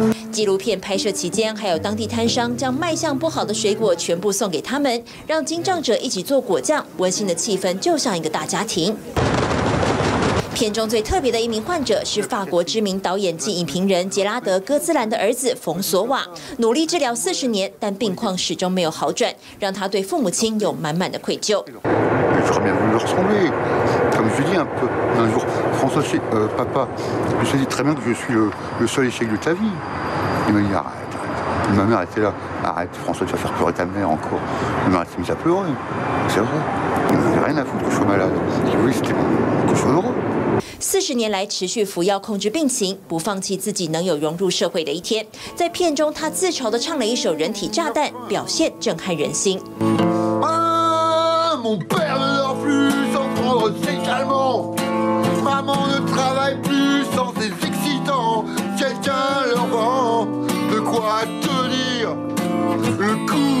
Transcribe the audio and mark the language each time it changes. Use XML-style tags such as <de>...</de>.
<zh>纪录片拍摄期间，还有当地摊商将卖相不好的水果全部送给他们，让精障者一起做果酱，温馨的气氛就像一个大家庭。片中最特别的一名患者是法国知名导演及影评人杰拉德·戈兹兰的儿子冯索瓦，努力治疗40年，但病况始终没有好转，让他对父母亲有满满的愧疚。</zh> <fr>Comme je lui dis un peu, un jour, François, papa, je lui ai dit très bien que je suis le seul échec de ta vie. Il m'a dit arrête. Ma mère était là. Arrête, François, tu vas faire pleurer ta mère encore. Ma mère s'est mise à pleurer. C'est vrai. Il n'y avait rien à foutre que je sois malade. Je lui ai dit oui, c'était bon, que je sois heureux.</fr> <zh>40年来持续服药控制病情，不放弃自己能有融入社会的一天。在片中，他自嘲地唱了一首《人体炸弹》，表现震撼人心。</zh> <fr>啊，mon père ne dort plus sans prendre ses calmants, maman ne travaille plus sans ses excitants, quelqu'un leur vend de quoi tenir le coup.</fr>